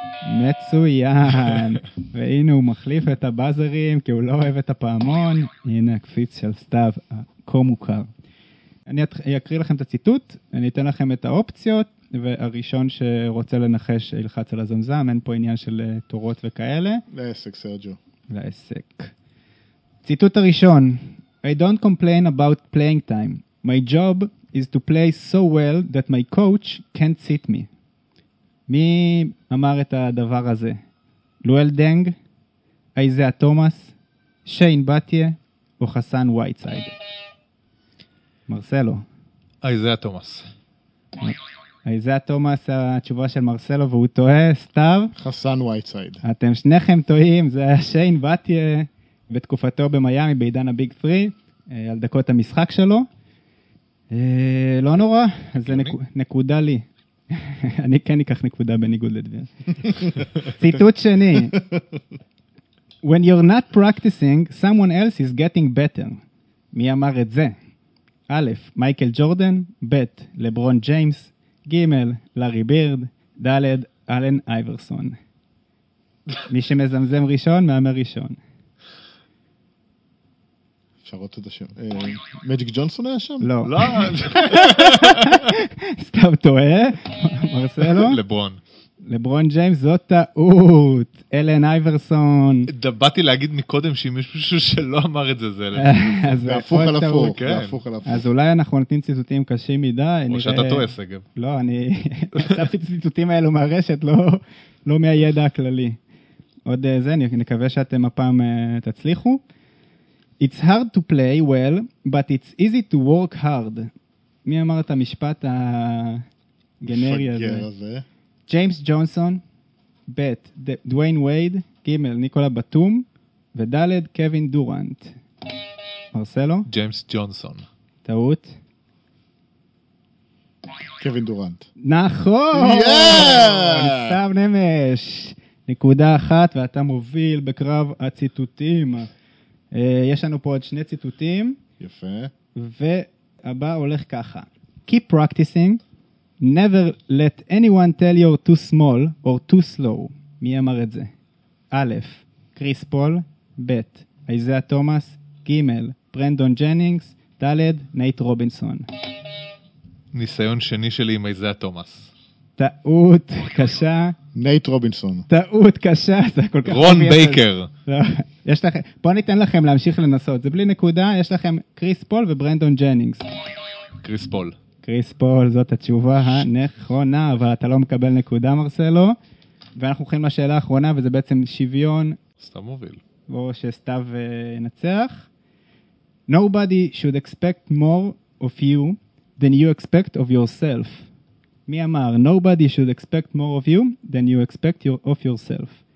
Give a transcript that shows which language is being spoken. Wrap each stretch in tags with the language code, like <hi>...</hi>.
<he>מצוין. והנה הוא מחליף את הבאזרים, כי הוא לא אוהב את הפעמון. הנה הקפיץ של סתיו, הכה מוכר. אני אקריא לכם את הציטוט, אני אתן לכם את האופציות, והראשון שרוצה לנחש ילחץ על הזמזם, אין פה עניין של תורות וכאלה. לעסק, סרג'ו. לעסק. ציטוט הראשון,</he> <en>I don't complain about playing time. My job is to play so well that my coach can't sit me.</en> <he>מי אמר את הדבר הזה? לואל דנג? איזיה תומאס? שיין בתיה? או חסן וייטסייד? מרסלו. איזיה תומאס. איזיה תומאס, התשובה של מרסלו, והוא טועה, סתיו? חסן וייטסייד. אתם שניכם טועים, זה היה שיין בתיה בתקופתו במיאמי, בעידן הביג פרי, על דקות המשחק שלו. לא נורא, אז זה נקודה לי. אני כן אקח נקודה בניגוד לדביר. ציטוט שני.</he> <en>When you're not practicing, someone else is getting better.</en> <he>מי אמר את זה? א', מייקל ג'ורדן, ב', לברון ג'יימס, ג', לארי בירד, ד', אלן אייברסון. מי שמזמזם ראשון, מאמר ראשון. שרות את השם. מג'יק ג'ונסון היה שם? לא. לא. סתיו טועה, מרסלו. לברון. לברון ג'יימס, זאת טעות. אלן אייברסון. דבתי להגיד מקודם שאם יש מישהו שלא אמר את זה, זה אלן. זה הפוך על הפוך. אז אולי אנחנו נותנים ציטוטים קשים מדי. או שאתה טועה, סגב. לא, אני אספתי ציטוטים האלו מהרשת, לא מהידע הכללי. עוד זה, נקווה שאתם הפעם תצליחו.</he> <en>It's hard to play well, but it's easy to work hard.</en> <he>מי אמר את המשפט הגנרי הזה? ג'יימס ג'ונסון, ב' דוויין וייד, ג' ניקולה בטום, וד' קווין דורנט. מרסלו? ג'יימס ג'ונסון. טעות. קווין דורנט. נכון! סתיו נמש. נקודה אחת, ואתה מוביל בקרב הציטוטים. יש לנו פה עוד שני ציטוטים. יפה. והבא הולך ככה.</he> <en>Keep practicing. Never let anyone tell you you're too small or too slow.</en> <he>מי אמר את זה? א', קריס פול, ב', איזיה תומאס, ג', ברנדון ג'נינגס, ד', נייט רובינסון. ניסיון שני שלי עם איזיה תומאס. טעות קשה. נייט רובינסון. טעות קשה, זה כל כך... רון בייקר. יש לכם, בוא ניתן לכם להמשיך לנסות. זה בלי נקודה, יש לכם קריס פול וברנדון ג'נינגס. קריס פול. קריס פול, זאת התשובה הנכונה, אבל אתה לא מקבל נקודה, מרסלו. ואנחנו הולכים לשאלה האחרונה, וזה בעצם שוויון. סתיו מוביל. או שסתיו נצח.</he> <en>Nobody should expect more of you than you expect of yourself.</en> <he>מי אמר?</he> <en>Nobody should expect more of you than you expect of yourself.</en>